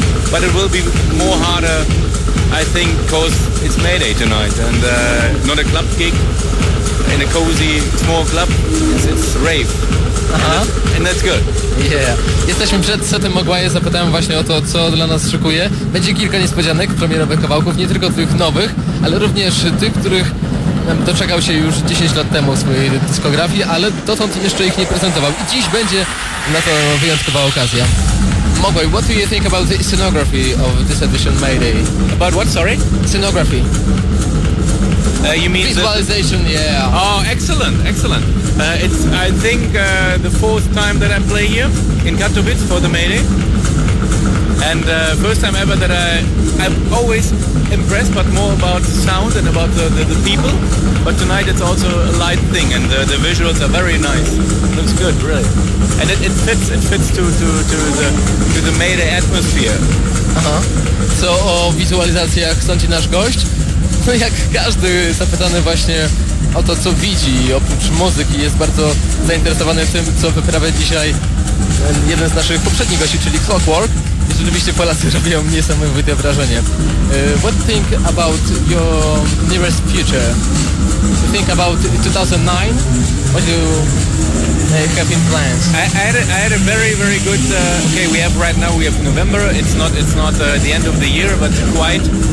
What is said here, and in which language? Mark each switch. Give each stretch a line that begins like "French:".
English: But it will be more harder, I think, because it's Mayday tonight, and not a club gig in a cozy small club, it's rave. And that's good. Yeah.
Polish: Jesteśmy przed setem Mogwaja, zapytałem właśnie o to, co dla nas szykuje. Będzie kilka niespodzianek, premierowych kawałków, nie tylko tych nowych, ale również tych, których doczekał się już 10 lat temu w swojej dyskografii, ale dotąd jeszcze ich nie prezentował. I dziś będzie na to wyjątkowa okazja.
English: Mogwaj, what do you think about the scenography of this edition Mayday? About what, sorry? Scenography. You mean visualization, the... yeah. Oh, excellent, excellent. It's, I think, the fourth time that I play here in Katowice for the Mayday. And first time ever that I'm always impressed, but more about the sound and about the people. But tonight it's also a light thing, and the visuals are very nice. Looks good, really. And it fits to the Mayday atmosphere.
Polish: Co o wizualizacjach sądzi nasz gość? No jak każdy zapytany właśnie o to, co widzi, oprócz muzyki, jest bardzo zainteresowany tym, co wyprawia dzisiaj jeden z naszych poprzednich gości, czyli Clockwork. Rzeczywiście Polacy robią niesamowite wrażenie.
English: What think about your nearest future? You think about 2009? What do you have in plans? I had a very, very good... okay, we have right now, we have November. It's not the end of the year, but quite.